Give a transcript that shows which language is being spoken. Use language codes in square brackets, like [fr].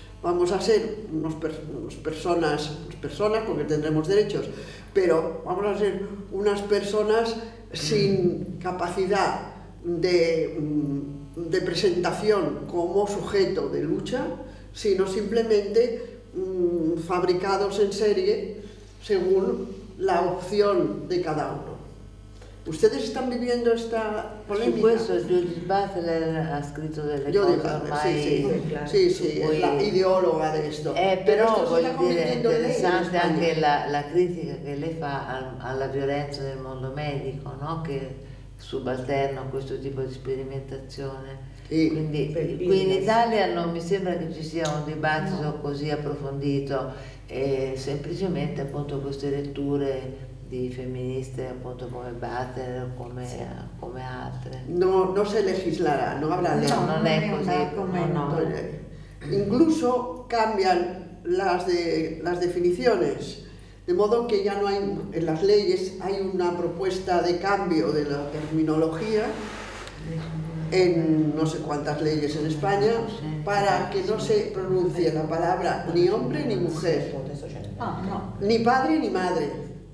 [es] Vamos a ser unas personas porque tendremos derechos, pero vamos a ser unas personas sin capacidad de presentación como sujeto de lucha, sino simplemente fabricados en serie según la opción de cada uno. ¿Ustedes están viviendo esta polémica? Por supuesto, Judith Butler ha escrito [it] delle cose. [es] Judith Butler, sí, sí, sí, sí, es la ideóloga de esto. [it] Però, voglio dire, interessante anche la critica che lei fa alla violenza del mondo medico, no? Che subalterna questo tipo di sperimentazione. Quindi, qui in Italia non mi sembra che ci sia un dibattito così approfondito, e semplicemente appunto queste letture di femministe appunto come Butler o come, sì, come altre. No, non si legislerà, non avrà legge. No, non è così. No. [es] Incluso cambian las definiciones, de modo que ya no hay, en las leyes hay una propuesta de cambio de la terminología en no sé cuántas leyes en España para que no se pronuncie la palabra ni hombre ni mujer, ni padre ni madre.